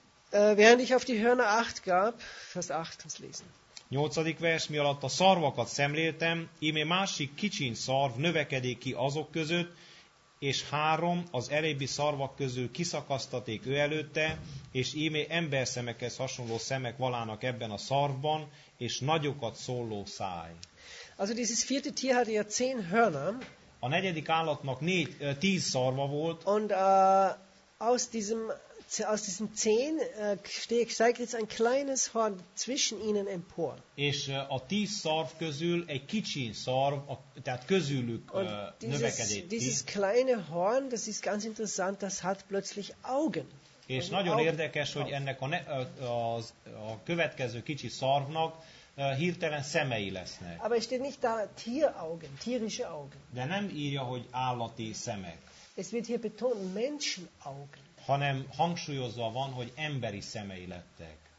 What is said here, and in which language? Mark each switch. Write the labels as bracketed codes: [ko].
[de] Während ich auf die Hörner acht gab, vers 8, kannst lesen. [hu] 8. vers, mi alatt a szarvakat szemléltem, íme másik kicsin szarv növekedik ki azok között, és három az elébbi szarvak közül kiszakasztaték ő előtte, és íme emberszemekhez hasonló szemek valának ebben a szarvban, és nagyokat szóló száj. [de] Also dieses vierte Tier hatte ja 10 Hörner. [hu] A negyedik állatnak 10 szarva volt. [de] Und aus diesem 10 steigt jetzt ein kleines Horn zwischen ihnen empor. [hu] És a 10 szarv közül egy kicsi szarv, tehát közülük növekedett. [de] Dieses kleine Horn, das ist ganz interessant, das hat plötzlich Augen. [hu] És nagyon érdekes, hogy ennek a következő kicsi szarvnak hirtelen szemei lesznek. [de] Aber steht nicht da Tieraugen, tierische Augen. [hu] De nem írja, hogy állati szemek. [de] Es wird hier betont Menschenaugen. [hu] Hanem hangsúlyozva van, hogy emberi szemei lettek.